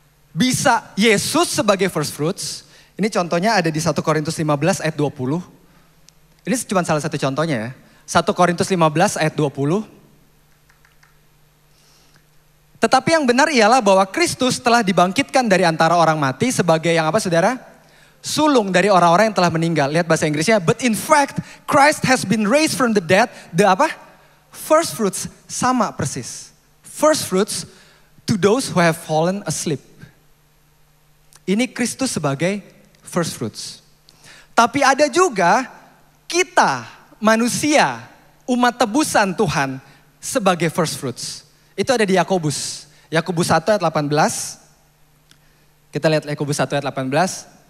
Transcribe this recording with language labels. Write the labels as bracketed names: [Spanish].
[Indonesian] Bisa Yesus sebagai first fruits. Ini contohnya ada di 1 Korintus 15 ayat 20. Ini cuma salah satu contohnya ya. 1 Korintus 15 ayat 20. Tetapi yang benar ialah bahwa Kristus telah dibangkitkan dari antara orang mati sebagai yang apa saudara? Sulung dari orang-orang yang telah meninggal. Lihat bahasa Inggrisnya. [English] But in fact, Christ has been raised from the dead. The [Indonesian] apa? [English] First fruits. [Indonesian] Sama persis. [English] First fruits to those who have fallen asleep. [Indonesian] Ini Kristus sebagai first fruits. Tapi ada juga kita, manusia, umat tebusan Tuhan sebagai first fruits. Itu ada di Yakobus. Yakobus 1 ayat 18. Kita lihat Yakobus 1 ayat 18.